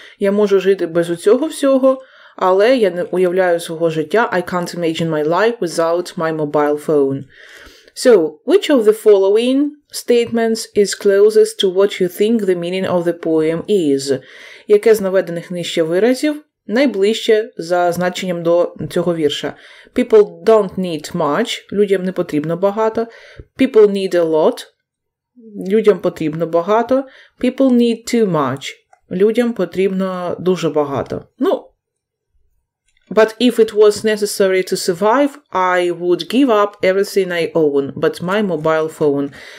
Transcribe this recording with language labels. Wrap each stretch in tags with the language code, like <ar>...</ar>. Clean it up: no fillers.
<uk>Я можу жити без усього всього, але я не уявляю свого життя.</uk> <en>I can't imagine my life without my mobile phone. So, which of the following statements is closest to what you think the meaning of the poem is?</en> <uk>Яке з наведених нижче виразів найближче за значенням до цього вірша.</uk> <en>People don't need much.</en> <uk>Людям не потрібно багато.</uk> <en>People need a lot.</en> <uk>Людям потрібно багато.</uk> <en>People need too much.</en> <uk>Людям потрібно дуже багато.</uk> <en>Ну, but if it was necessary to survive, I would give up everything I own, but my mobile phone.</en>